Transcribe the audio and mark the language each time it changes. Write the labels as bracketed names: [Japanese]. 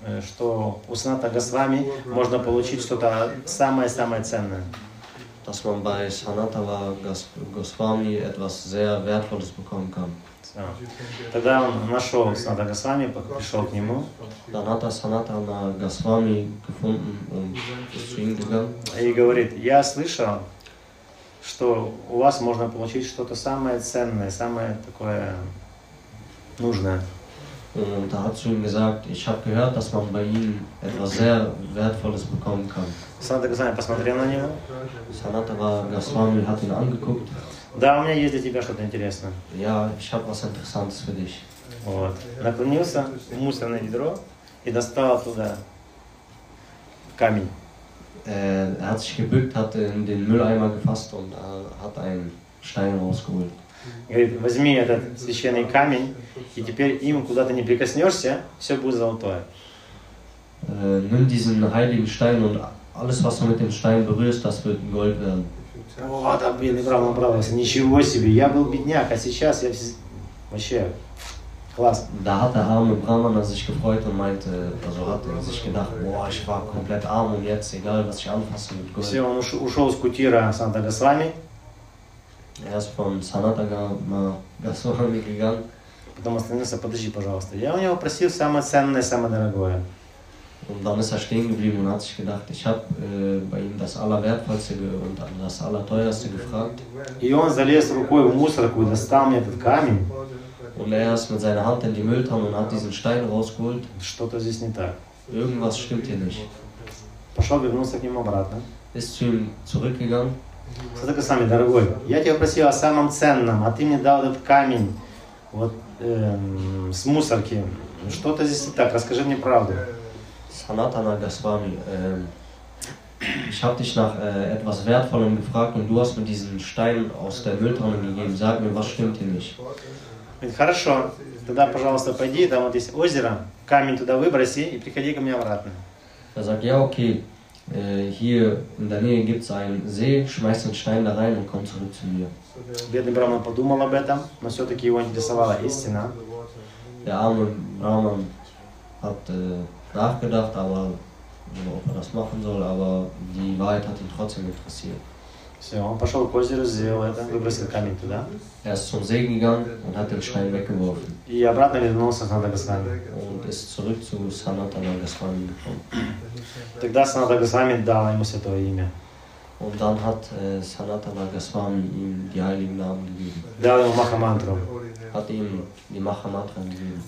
[Russian] что у Саната Госвами можно получить что-то самое-самое ценное. [German] Dass man bei Sanatava Госвами etwas sehr Wertvolles bekommen kann. So. [Russian] Тогда он нашел Саната Госвами, пришел к нему. [German] Dann hat er Sanatana Госвами gefunden und ist zu ihm gegangen. [Russian] И говорит, я слышал, что у вас можно получить что-то самое ценное, самое такое нужное. [German] Und er hat zu ihm gesagt, ich habe gehört, dass man bei ihm etwas sehr Wertvolles bekommen kann. [Russian] Саната Госвами посмотрел на него. [German] Санатава Госвами hat ihn angeguckt. [Russian] Да, у меня есть для тебя что-то интересное. [German] Ja, ich habe was Interessantes für dich. [Russian] Вот. Наклонился в мусорное ведро и достал оттуда камень. [German] Er hat sich gebückt, hat in den Mülleimer gefasst und hat einen Stein rausgeholt. [Russian] Говорит, возьми этот священный камень, и теперь им куда-то не прикоснешься, все будет золотое. [German] Nimm diesen heiligen Stein und alles, was du mit dem Stein berührst, das wird Gold werden. [Russian] О, да, блин, направился, ничего себе, я был бедняк, а сейчас я вообще класс. [German] Da hat der arme Brahman sich gefreut und meinte, also hat er sich gedacht, boah, ich war komplett arm und jetzt, egal was ich anfasse mit Gold. [Russian] Все, он ушел с кутира Саната Госвами. [German] Er ist von Sanatana Goswami gegangen. [Russian] Потом остановился, подожди, пожалуйста. Я у него просил самое ценное, самое дорогое. [German] Und dann ist er stehen geblieben und hat sich gedacht, ich habe bei ihm das Allerwertvollste und das Allerteuerste gefragt. [Russian] И он залез рукой в мусорку и достал мне этот камень. [German] Und er ist mit seiner Hand in die Mülltonne und hat diesen Stein rausgeholt. [Russian] Что-то здесь не так. [German] Irgendwas stimmt hier nicht. [Russian] Пошел вернулся к нему обратно. [German] Ist zu ihm zurückgegangen. [Russian] Саната Госвами, дорогой, я тебя просил о самом ценном, а ты мне дал этот камень вот, с мусорки. Что-то здесь не так, расскажи мне правду. [German] Санатана Госвами, ich habe dich nach etwas Wertvollem gefragt und du hast mir diesen Stein aus der Mülltonne gegeben. Sag mir, was stimmt hier nicht? [Russian] Хорошо, тогда, пожалуйста, пойди, там вот есть озеро, камень туда выброси и приходи ко мне обратно. [German] Er sagt, ja, okay. Hier in der Nähe gibt es einen See, schmeißt den Stein da rein und kommt zurück zu mir. [Russian] Бедный Брахман подумал об этом, но все-таки его интересовала истина. [German] Der arme Brahman hat nachgedacht, aber ob er das machen soll, aber die Wahrheit hat ihn trotzdem interessiert. [Russian] Все, он пошел к озеру, сделал это, выбросил камень туда. [German] Er ist zum See gegangen und hat den Stein weggeworfen. [Russian] И обратно вернулся к Санатана Госвами. [German] Und ist zurück zu Sanatana Goswami gekommen. [Russian] Тогда Саната Госвами дал ему святое имя. [German] Und dann hat Sanatana Goswami ihm die heiligen Namen gegeben. [Russian] Дал ему Махамантру. [German] Hat ihm die Махамантру gegeben.